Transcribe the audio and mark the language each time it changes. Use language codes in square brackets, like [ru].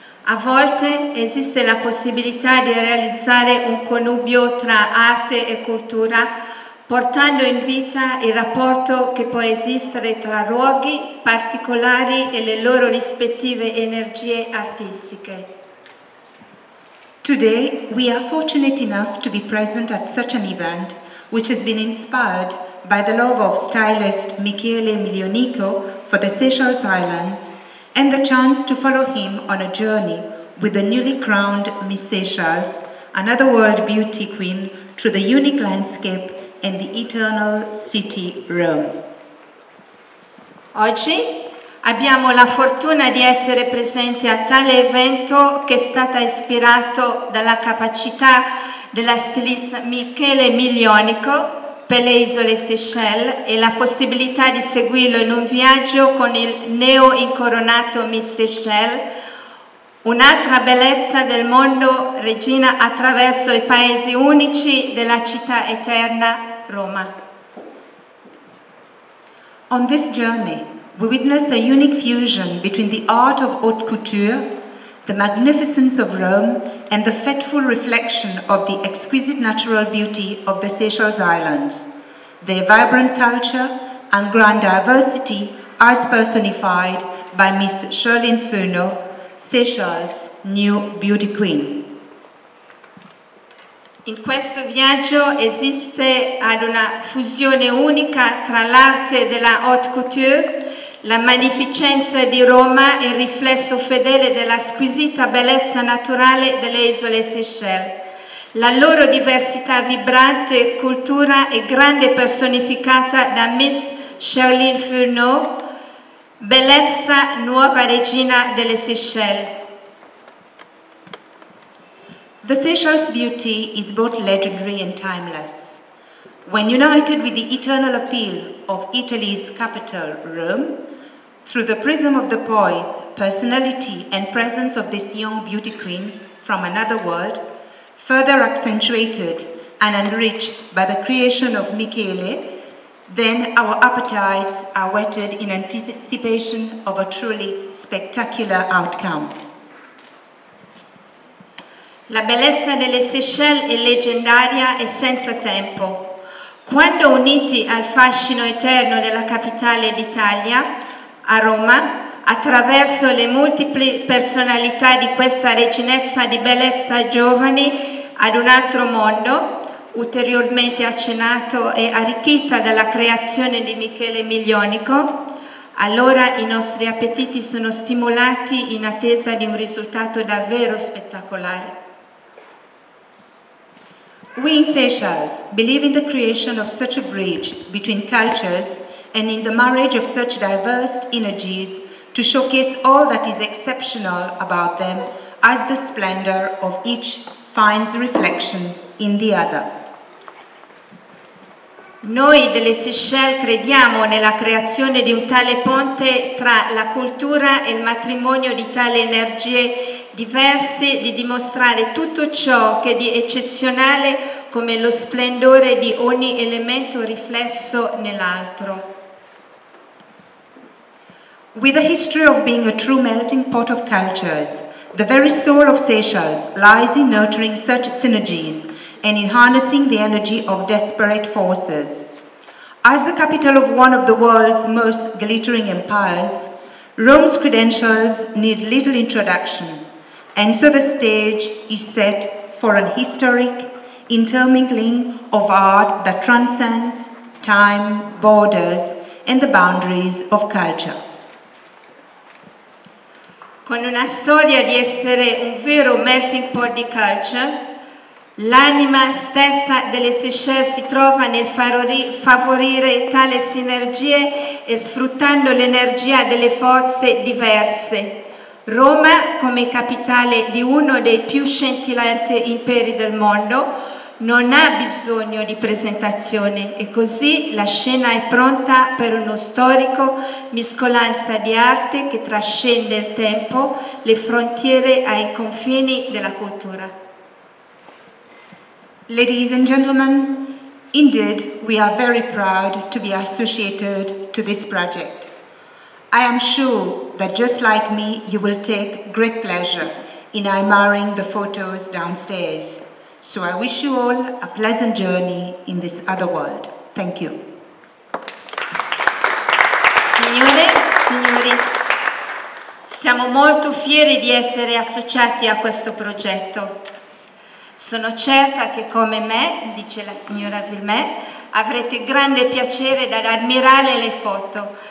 [it] A volte esiste la possibilità di realizzare un connubio tra arte e cultura, portando in vita il rapporto che può esistere tra luoghi particolari e le loro rispettive energie artistiche. [en] Today we are fortunate enough to be present at such an event, which has been inspired by the love of stylist Michele Milionico for the Seychelles Islands, and the chance to follow him on a journey with the newly crowned Miss Seychelles, another world beauty queen, through the unique landscape and the eternal city Rome. [it] Oggi abbiamo la fortuna di essere presenti a tale evento che è stato ispirato dalla capacità della stilista Michele Milionico per le isole Seychelles e la possibilità di seguirlo in un viaggio con il neo incoronato Miss Seychelles, un'altra bellezza del mondo regina attraverso i paesi unici della città eterna Roma. [en] On this journey, we witness a unique fusion between the art of haute couture, the magnificence of Rome and the fateful reflection of the exquisite natural beauty of the Seychelles Islands. Their vibrant culture and grand diversity are personified by Miss Shirlene Funo, Seychelles' new beauty queen. [it] In questo viaggio esiste ad una fusione unica tra l'arte della haute couture, la magnificenza di Roma e il riflesso fedele della squisita bellezza naturale delle isole Seychelles. La loro diversità vibrante, cultura e grande personificata da Miss Shirlene Funo, bellezza nuova regina delle Seychelles. [en] The Seychelles' beauty is both legendary and timeless. When united with the eternal appeal of Italy's capital, Rome, through the prism of the poise, personality, and presence of this young beauty queen from another world, further accentuated and enriched by the creation of Michele, then our appetites are whetted in anticipation of a truly spectacular outcome. [it] La bellezza delle Seychelles è leggendaria e senza tempo. Quando uniti al fascino eterno della capitale d'Italia, a Roma, attraverso le multipli personalità di questa reginezza di bellezza giovani ad un altro mondo, ulteriormente accennato e arricchita dalla creazione di Michele Miglionico, allora i nostri appetiti sono stimolati in attesa di un risultato davvero spettacolare. [en] We in Seychelles believe in the creation of such a bridge between cultures and in the marriage of such diverse energies to showcase all that is exceptional about them as the splendor of each finds reflection in the other. [it] Noi delle Seychelles crediamo nella creazione di un tale ponte tra la cultura e il matrimonio di tali energie diverse di dimostrare tutto ciò che è di eccezionale come lo splendore di ogni elemento riflesso nell'altro. [en] With a history of being a true melting pot of cultures, the very soul of Seychelles lies in nurturing such synergies and in harnessing the energy of disparate forces. As the capital of one of the world's most glittering empires, Rome's credentials need little introduction, and so the stage is set for an historic intermingling of art that transcends time, borders, and the boundaries of culture. [it] Con una storia di essere un vero melting pot di culture, l'anima stessa delle Seychelles si trova nel favorire tale sinergie e sfruttando l'energia delle forze diverse. Roma, come capitale di uno dei più scintillanti imperi del mondo, non ha bisogno di presentazione e così la scena è pronta per uno storico miscolanza di arte che trascende il tempo, le frontiere ai confini della cultura. [en] Ladies and gentlemen, indeed we are very proud to be associated to this project. I am sure that just like me you will take great pleasure in admiring the photos downstairs. So I wish you all a pleasant journey in this other world. Thank you. [it] Signore, signori, siamo molto fieri di essere associati a questo progetto. Sono certa che come me, dice la signora Villemet, avrete grande piacere ad ammirare le foto.